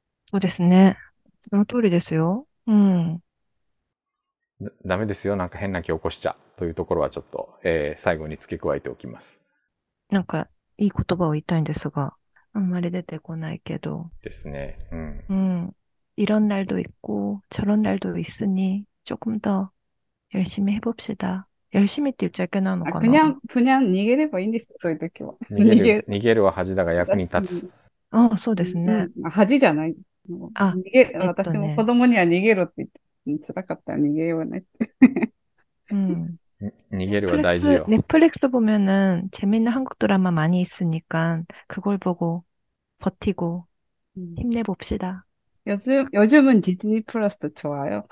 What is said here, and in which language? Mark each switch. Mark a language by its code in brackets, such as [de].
[ja] そうですね。その通りですよ。ダメですよ。なんか変な気を起こしちゃというところはちょっと、最後に付け加えておきます。なんか、いい言葉を言いたいんですが、あんまり出てこないけど。ですね。 [ko] 이런 날도 있고, 저런 날도 있으니, 조금 더 열심히 해봅시다. 열심히 뛰어야 되나, 아, 그나? 그냥 [ja] 逃げればいいんですよ、そういう時は。逃げるは恥だが役に立つ。そうですね。恥じゃない。もう逃げ、私も子供には逃げろって言って、辛かったら逃げようねって逃げるは大事よ。 [ko] ネットフリックス보면은 재밌는 한국 드라마 많이 있으니까 그걸 보고 버티고 힘내봅시다. 요즘은 디즈니 플러스 좋아요.